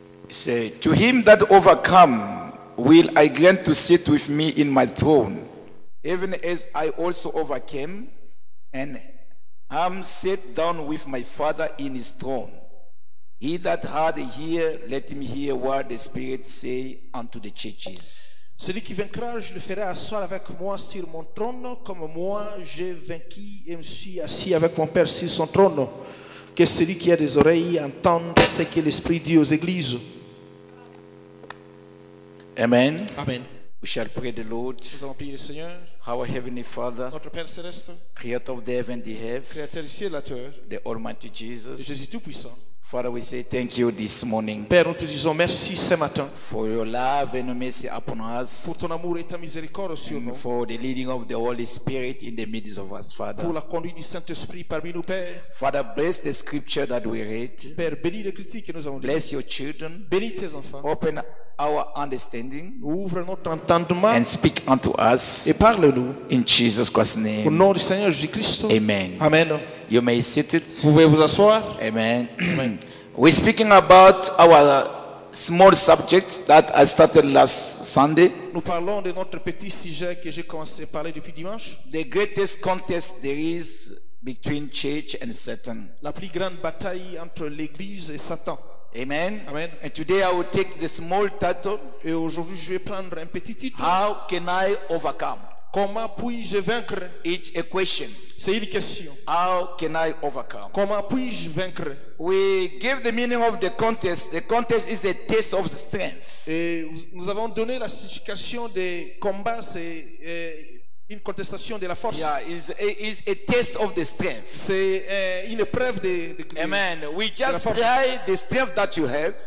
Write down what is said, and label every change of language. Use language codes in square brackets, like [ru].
[en] Say, to him that overcome will I grant to sit with me in my throne, even as I also overcame and am set down with my Father in his throne. He that had a ear, let him hear what the Spirit say unto the churches. [fr] Celui qui vaincra, je le ferai asseoir avec moi sur mon trône, comme moi j'ai vaincu et me suis assis avec mon Père sur son trône. Que celui qui a des oreilles entende ce que l'Esprit dit aux églises. Amen. Amen. [en] We shall pray the Lord. [fr] Nous allons prier le Seigneur. [en] Our Heavenly Father, [fr] notre Père céleste, [en] Creator of the heaven and the earth, [fr] Créateur du ciel et de la terre, [en] the Almighty Jesus, [fr] Jésus Tout-Puissant. [en] Father, we say thank you this morning. [fr] Père, nous te disons merci ce matin. [en] For your love and mercy upon us. [fr] Pour ton amour et ta miséricorde sur nous. [en] For the leading of the Holy Spirit in the midst of us, Father. [fr] Pour la conduite du Saint-Esprit parmi nous, Père. [en] Father, bless the scripture that we read. [fr] Père, bénis les critiques que nous avons lues. [en] Bless your children. [fr] Bénis tes enfants. [en] Open our understanding. [fr] Ouvre notre entendement. [en] And speak unto us. [fr] Et parle-nous. [en] In Jesus Christ's name. [fr] Au nom du Seigneur Jésus-Christ. Amen. Amen. [en] You may sit it. [fr] Vous pouvez vous asseoir. Amen. [en] We're speaking about our small subject that I started last Sunday. [fr] Nous parlons de notre petit sujet que j'ai commencé à parler depuis dimanche. [en] The greatest contest there is between church and Satan. [fr] La plus grande bataille entre l'Église et Satan. Amen. Amen. [en] And today I will take the small title. [fr] Et aujourd'hui je vais prendre un petit titre. [en] How can I overcome? [fr] Comment puis-je vaincre? [en] It's a question. [fr] C'est une question. [en] How can I overcome? [fr] Comment puis-je vaincre? [en] We give the meaning of the contest. The contest is a test of strength. [fr] Et nous avons donné la signification des combats, c'est une contestation de la force. [en] Yeah, is a test of the strength. [fr] C'est une épreuve de Amen. [en] We just try the strength that you have.